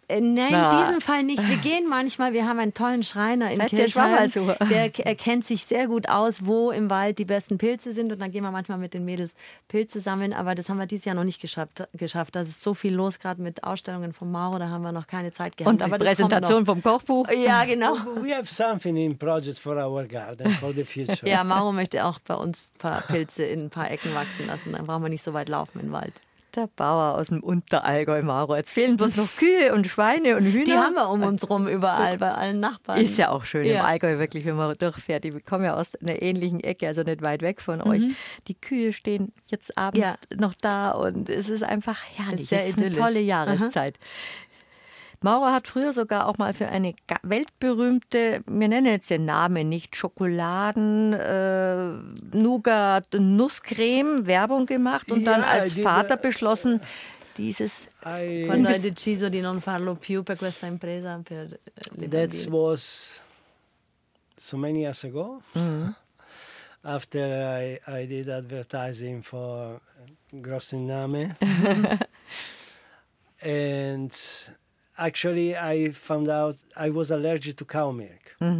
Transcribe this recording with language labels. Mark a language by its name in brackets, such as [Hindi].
[German] Nein, in diesem Fall nicht. Wir gehen manchmal, wir haben einen tollen Schreiner in Kirchheim. Der erkennt sich sehr gut aus, wo im Wald die besten Pilze sind. Und dann gehen wir manchmal mit den Mädels Pilze sammeln. Aber das haben wir dieses Jahr noch nicht geschafft. Da ist so viel los, gerade mit Ausstellungen vom Mauro. Da haben wir noch keine Zeit gehabt. Und die Präsentation vom Kochbuch. Ja, genau. [English] We have something in projects for our garden, for the future. [German] Ja, Mauro möchte auch bei uns ein paar Pilze in ein paar Ecken wachsen lassen. Dann brauchen wir nicht so weit laufen im Wald. Der Bauer aus dem Unterallgäu, Mauro. Jetzt fehlen bloß noch Kühe und Schweine und Hühner. Die haben wir um uns rum überall, bei allen Nachbarn. Ist ja auch schön, ja. Im Allgäu wirklich, wenn man durchfährt. Die kommen ja aus einer ähnlichen Ecke, also nicht weit weg von euch. Die Kühe stehen jetzt abends noch da und es ist einfach herrlich. es ist eine tolle Jahreszeit. Aha. Mauro hat früher sogar auch mal für eine weltberühmte, wir nennen jetzt den Namen nicht, Schokoladen-Nougat-Nusscreme Werbung gemacht und dann als Vater beschlossen, dieses [Italian] quando hai deciso di non farlo più per questa impresa per le bambine. [English] That was so many years ago. After I did advertising for Grossinname. And actually I found out I was allergic to cow milk.